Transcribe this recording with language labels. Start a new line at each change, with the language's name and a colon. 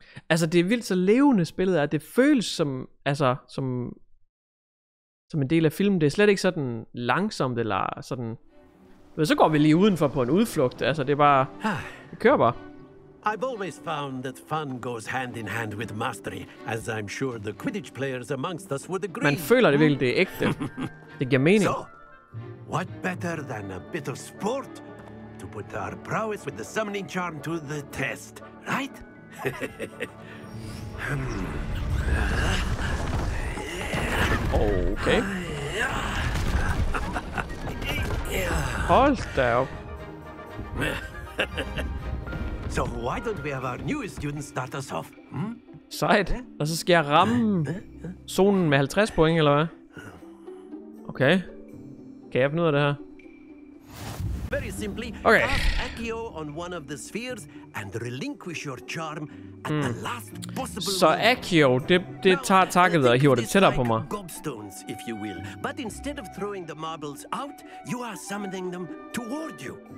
Danish: Altså, det er vildt så levende spillet, at det føles som altså som en del af filmen. Det er slet ikke sådan langsomt eller sådan. Men så går vi lige udenfor på en udflugt. Altså, det er bare. Det kører bare.
English: I've always found that fun goes hand in hand with mastery, as I'm sure the Quidditch players amongst us would agree.
Danish: Man føler det virkelig, det er ægte. Det giver mening.
English: So, what better than a bit of sport to put our prowess with the summoning charm to the test, right?
Danish: Okay. Hold da op.
English: So why don't we have our newest student start us off? Hmm?
Danish: Sejt. Og så skal jeg ramme zonen med 50 point, eller hvad? Okay. Kan jeg finde ud af det her?
English: Very simply, okay. Cast Accio on one of the spheres and relinquish your charm at the last possible
Danish: moment. Så Accio, det tager takket og hiver det tættere på mig.
English: Gobstones, if you will. But instead of throwing the marbles out, you are summoning them toward you.